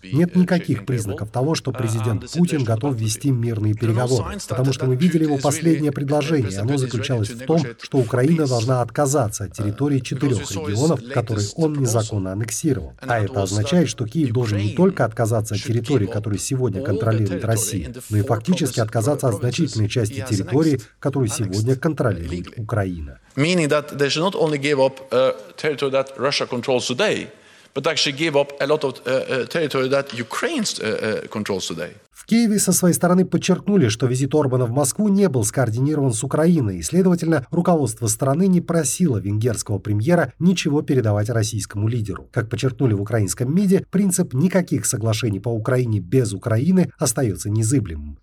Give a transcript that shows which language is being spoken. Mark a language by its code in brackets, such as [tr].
[ru] Нет никаких признаков того, что президент Путин готов вести мирные переговоры, потому что мы видели его последнее предложение, оно заключалось в том, что Украина должна отказаться территории четырех регионов, которые он незаконно аннексировал. А это означает, что Киев должен не только отказаться от территории, которую сегодня контролирует Россия, но и фактически отказаться от значительной части территории, которую сегодня контролирует Украина. [en] Meaning that they should not only give up territory that Russia controls today, but actually give up a lot of territory that Ukraine controls today. [ru] В Киеве со своей стороны подчеркнули, что визит Орбана в Москву не был скоординирован с Украиной, и, следовательно, руководство страны не просило венгерского премьера ничего передавать российскому лидеру. Как подчеркнули в украинском МИДе, принцип «никаких соглашений по Украине без Украины» остается незыблемым.